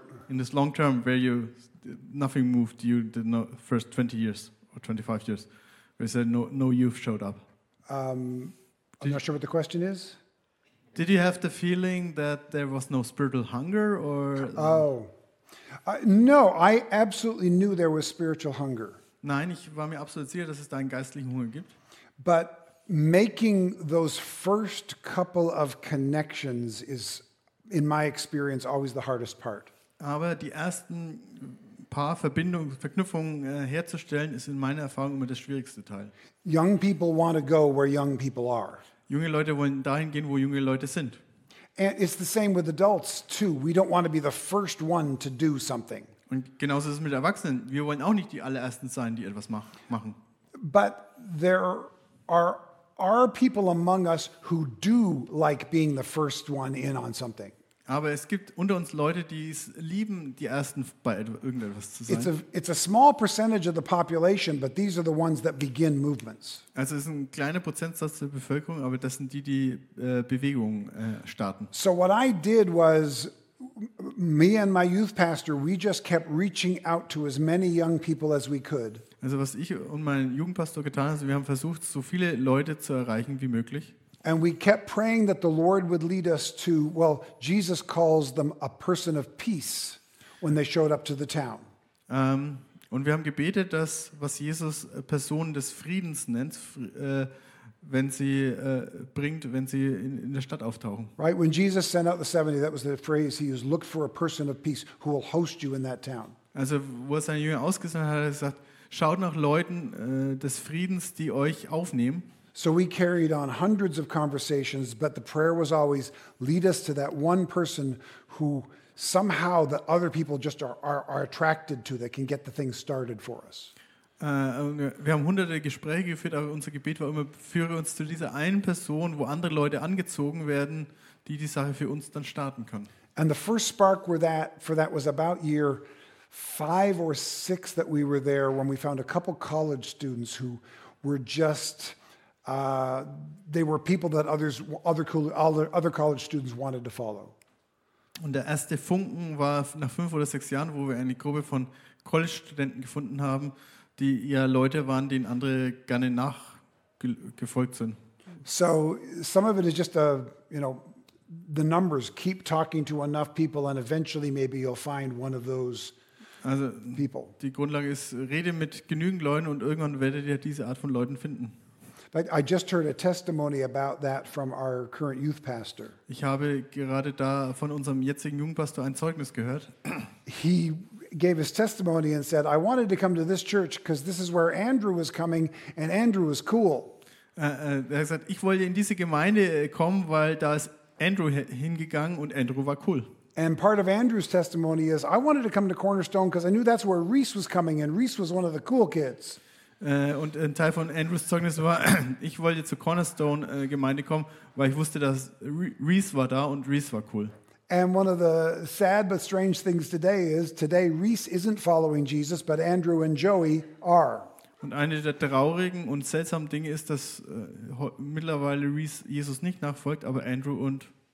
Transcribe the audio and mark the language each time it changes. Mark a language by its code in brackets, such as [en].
[en] In this long term where you, nothing moved you the first 20 years or 25 years, where you said no youth showed up. I'm not sure what the question is. Did you have the feeling that there was no spiritual hunger or? No, I absolutely knew there was spiritual hunger. [de] Nein, ich war mir absolut sicher, dass es da einen geistlichen Hunger gibt. [en] But making those first couple of connections is, in my experience, always the hardest part. [de] Aber die ersten paar Verknüpfungen herzustellen, ist in meiner Erfahrung immer das schwierigste Teil. [en] Young people want to go where young people are. [de] Junge Leute wollen dahin gehen, wo junge Leute sind. [en] And it's the same with adults too. We don't want to be the first one to do something. [de] Und genauso ist es mit Erwachsenen. Wir wollen auch nicht die allerersten sein, die etwas machen. [en] But there are people among us who do like being the first one in on something. [de] Aber es gibt unter uns Leute, die es lieben, die ersten bei irgendetwas zu sein. [en] It's a small percentage of the population, but these are the ones that begin movements. [de] Also es ist ein kleiner Prozentsatz der Bevölkerung, aber das sind die, die Bewegungen starten. [en] So what I did was, me and my youth pastor, we just kept reaching out to as many young people as we could. [de] Also was ich und mein Jugendpastor getan haben, wir haben versucht, so viele Leute zu erreichen wie möglich. [en] And we kept praying that the Lord would lead us to, well, Jesus calls them a person of peace when they showed up to the town. [de] Und wir haben gebetet, dass, was Jesus Personen des Friedens nennt, wenn sie in der Stadt auftauchen. [en] Right, when Jesus sent out the 70, that was the phrase he used, look for a person of peace who will host you in that town. [de] Also, wo er seine Jünger ausgesandt hat, hat er gesagt, schaut nach Leuten des Friedens, die euch aufnehmen. [en] So we carried on hundreds of conversations, but the prayer was always, lead us to that one person who somehow the other people just are attracted to, that can get the thing started for us. [de] Wir haben hunderte Gespräche geführt, aber unser Gebet war immer, führe uns zu dieser einen Person, wo andere Leute angezogen werden, die Sache für uns dann starten können. [en] And the first spark for that was about year 5 or 6 that we were there, when we found a couple college students who were just... they were people that other college students wanted to follow. [de] Und der erste Funken war nach 5 oder 6 Jahren, wo wir eine Gruppe von College-Studenten gefunden haben, die ja Leute waren, denen andere gerne nachgefolgt sind. [en] So some of it is just the numbers, keep talking to enough people and eventually maybe you'll find one of those. Also people. [de] Die Grundlage ist, rede mit genügend Leuten und irgendwann werdet ihr diese Art von Leuten finden. [en] I just heard a testimony about that from our current youth pastor. [de] Ich habe gerade da von unserem jetzigen Jugendpastor ein Zeugnis gehört. [en] He gave his testimony and said, I wanted to come to this church because this is where Andrew was coming and Andrew was cool. [de] Er hat gesagt, ich wollte in diese Gemeinde kommen, weil da ist Andrew hingegangen und Andrew war cool. [en] And part of Andrew's testimony is, I wanted to come to Cornerstone because I knew that's where Reese was coming and Reese was one of the cool kids. [de] Und ein Teil von Andrews Zeugnis war, ich wollte zur Cornerstone-Gemeinde kommen, weil ich wusste, dass Reese war da und Reese war cool. [en] And one of the sad but strange things today Reese isn't following Jesus, but Andrew and Joey are. [de] Und eine der traurigen und seltsamen Dinge ist, dass mittlerweile Reese Jesus nicht nachfolgt, aber Andrew und